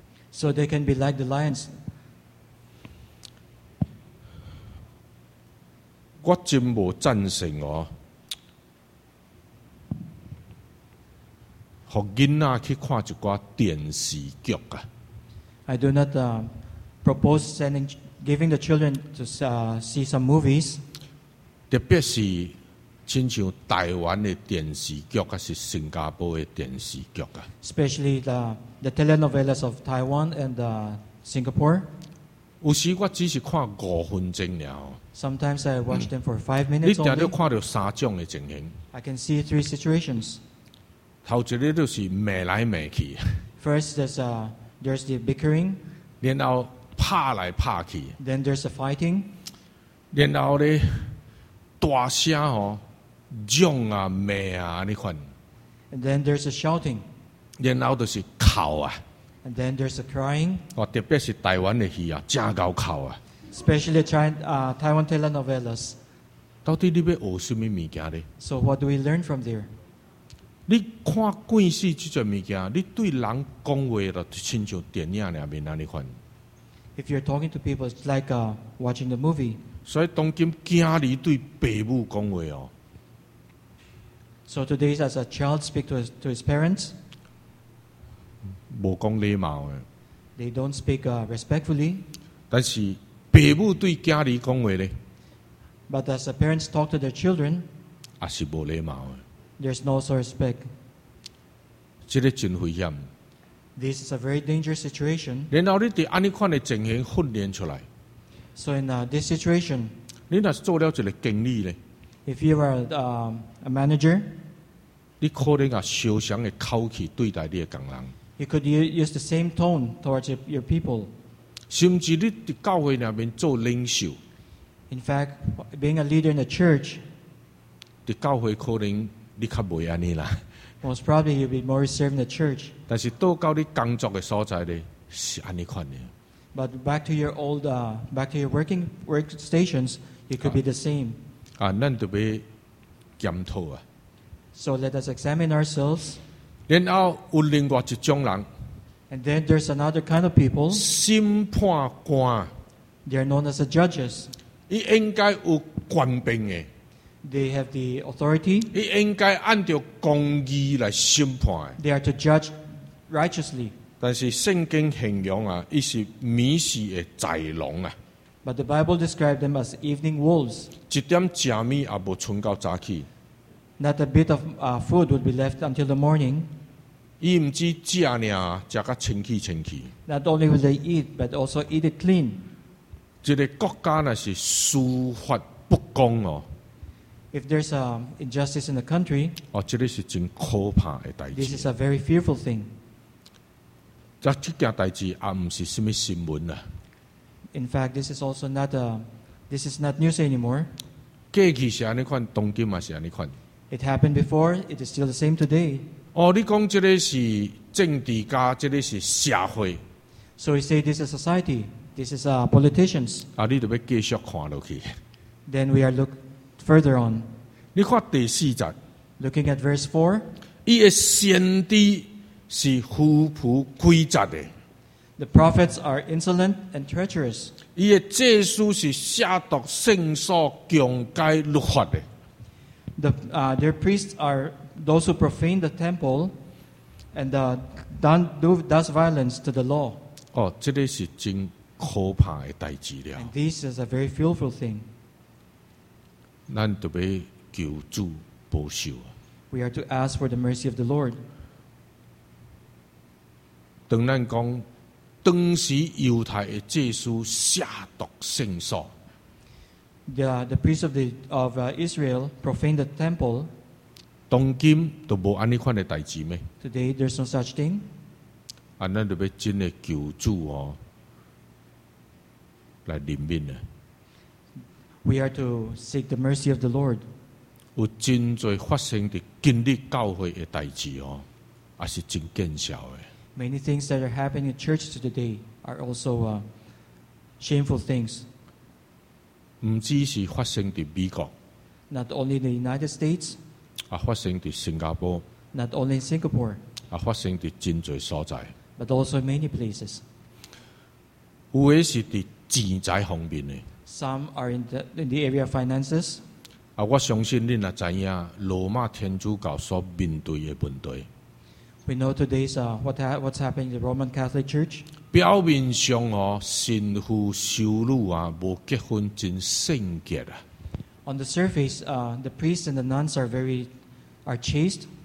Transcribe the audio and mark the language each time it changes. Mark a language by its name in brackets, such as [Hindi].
[English] So they can be like the lions. [Min Nan Chinese] 我真无赞成哦，互囡仔去看一挂电视剧啊。 [English] I do not propose sending giving the children to see some movies. [Min Nan Chinese] 特别是亲像台湾的电视剧，还是新加坡的电视剧啊。 [English] Especially the telenovelas of Taiwan and Singapore. [Min Nan Chinese] 有时我只是看五分钟了。 [English] Sometimes I watch them for 5 minutes only. [Min Nan Chinese] 你常常看到三种的情形。 [English] I can see 3 situations. [Min Nan Chinese] 头一个就是骂来骂去。 [English] First, there's the bickering. [Min Nan Chinese] 然后拍来拍去。 [English] Then there's a fighting. [Min Nan Chinese] 然后呢？大声哦，嚷啊骂啊那款。 [English] And then there's a shouting. [Min Nan Chinese] 然后就是哭啊。 [English] And then there's a crying. [Min Nan Chinese] 哦，特别是台湾的戏啊，真够哭啊。 [English] Especially Taiwan telenovelas. [Min Nan Chinese] 到底你要学什么物件呢 [English] ？So what do we learn from there？ [Min Nan Chinese] 你看电视这种物件，你对人讲话了，亲像电影里面那那款。 [English] If you're talking to people, it's like watching the movie. [Min Nan Chinese] 所以当今惊你对父母讲话哦。 [English] So today, as a child speak to his parents, [Min Nan Chinese] 无讲礼貌诶。 [English] They don't speak respectfully. [Min Nan Chinese] 但是父母对惊你讲话咧。 [English] But as the parents talk to their children, [Min Nan Chinese] 也是无礼貌诶。 [English] There's no respect. [Min Nan Chinese] 这个真危险。 [English] This is a very dangerous situation. [Min Nan Chinese] 然后你伫安尼款诶情形训练出来。 [English] So in this situation, [Min Nan Chinese] 你若是做了一个经理咧 [English] ，if you are a manager, [Min Nan Chinese] 你可能啊，相像的口气对待你的工人 [English] ，you could use the same tone towards your people. [Min Nan Chinese] 甚至你伫教会里面做领袖 [English] ，in fact, being a leader in the church, [Min Nan Chinese] 伫教会可能你较袂安尼啦 [English] ，most probably you'll be more reserved in the church. [Min Nan Chinese] 但是到到你工作的所在咧，是安尼款的。 [English] But back to your old, back to your working workstations, it could be the same. [Min Nan Chinese] 啊，咱就要检讨啊。 [English] So let us examine ourselves. [Min Nan Chinese] 然后有另外一种人。 [English] And then there's another kind of people. [Min Nan Chinese] 审判官。 [English] They are known as the judges. [Min Nan Chinese] 伊应该有权柄的。 [English] They have the authority. [Min Nan Chinese] 伊应该按照公义来审判。 [English] They are to judge righteously. [Min Nan Chinese] 但是圣经形容啊，伊是迷失的豺狼啊。 [English] But the Bible described them as evening wolves. [Min Nan Chinese] 一点食物也无存到早起。 [English] Not a bit of food would be left until the morning. [Min Nan Chinese] 伊唔止食尔，食甲清气清气。 [English] Not only will they eat, but also eat it clean. [Min Nan Chinese] 一个国家那是司法不公哦。 [English] If there's an injustice in the country, [Min Nan Chinese] 哦，这个是真可怕的代志。 [English] This is a very fearful thing. [Min Nan Chinese] 这件代志也唔是什么新闻啦。 [English] In fact, this is also not this is not news anymore. [Min Nan Chinese] 过去是安尼款，当今嘛是安尼款。 [English] It happened before. It is still the same today. [Min Nan Chinese] 哦，你讲这个是政治家，这个是社会。 [English] So he say this is society, this is politicians. [Min Nan Chinese] 啊，你得要继续看落去。 [English] Then we are look further on. [Min Nan Chinese] 你看第四节。 [English] Looking at verse 4. [Min Nan Chinese] 伊的先知是虎扑诡诈的。 [English] The prophets are insolent and treacherous. [Min Nan Chinese] 伊的祭司是亵渎圣所、强奸律法的。 [English] Their priests are those who profane the temple and does violence to the law. [Min Nan Chinese] 哦，这个是真可怕的代志了。 [English] And this is a very fearful thing. [Min Nan Chinese] 咱就要求主保守。 [English] We are to ask for the mercy of the Lord. [Min Nan Chinese] 当咱讲当时犹太的祭司亵渎圣所。 [English] The priests of Israel profaned the temple. [Min Nan Chinese] 当今都无安尼款的代志咩 [English] ？Today there's no such thing. [Min Nan Chinese] 啊，咱就要真的求主哦，来怜悯啊。 [English] We are to seek the mercy of the Lord. [Min Nan Chinese] 有真侪发生伫今日教会的代志哦，也是真见笑的。 [English] Many things that are happening in church today are also shameful things. [Min Nan Chinese] 唔只是发生伫美国 [English] ，not only the United States， [Min Nan Chinese] 啊，发生伫新加坡 [English] ，not only Singapore， [Min Nan Chinese] 啊，发生伫真侪所在 [English] ，but also many places。 [Min Nan Chinese] 有诶是伫钱财方面诶 [English] ，some are in the area of finances。 [Min Nan Chinese] 啊，我相信恁也知影罗马天主教所面对诶问题。 [English] We know today's what's happening in the Roman Catholic Church。 [Min Nan Chinese] 表面上哦，神父修女啊，无结婚真圣洁啊。 [English] On the surface, the priests and the nuns are chaste.